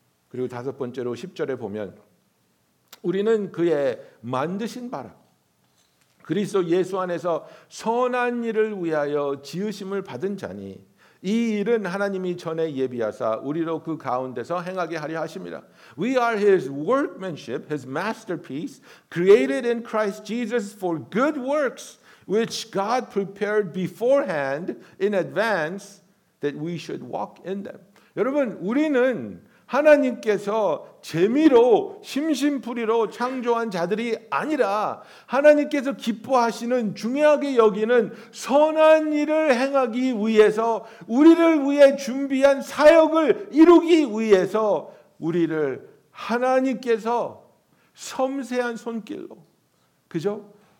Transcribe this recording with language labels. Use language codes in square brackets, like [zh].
[ko] 그리고 다섯 번째로 10절에 보면 우리는 그의 만드신 바라고 그리스도 예수 안에서 선한 일을 위하여 지으심을 받은 자니 이 일은 하나님이 전에 예비하사 우리로 그 가운데서 행하게 하려 하십니다. [en] We are his workmanship, his masterpiece, created in Christ Jesus for good works, which God prepared beforehand in advance that we should walk in them. [ko] 여러분, 우리는 하나님께서 재미로 심심풀이로 창조한 자들이 아니라 하나님께서 기뻐하시는 중요하게 여기는 선한 일을 행하기 위해서 우리를 위해 준비한 사역을 이루기 위해서 우리를 하나님께서 섬세한 손길로 그죠?